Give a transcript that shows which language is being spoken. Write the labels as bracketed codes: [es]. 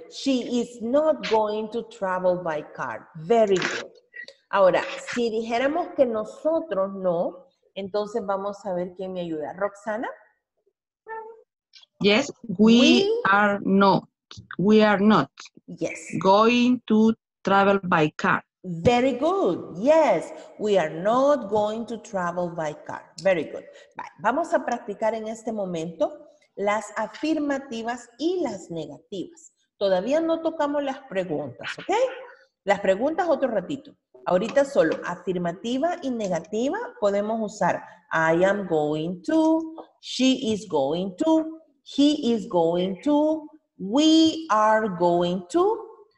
[en] She is not going to travel by car. Very good. [es] Ahora, si dijéramos que nosotros no, entonces vamos a ver quién me ayuda. ¿Roxana? [en] Yes, we are not. Yes. Going to travel by car. Very good. Yes, we are not going to travel by car. Very good. Bye. [es] Vamos a practicar en este momento las afirmativas y las negativas. Todavía no tocamos las preguntas, ¿ok? Las preguntas otro ratito. Ahorita solo afirmativa y negativa podemos usar [en] I am going to, [es] she is going to, he is going to, we are going to.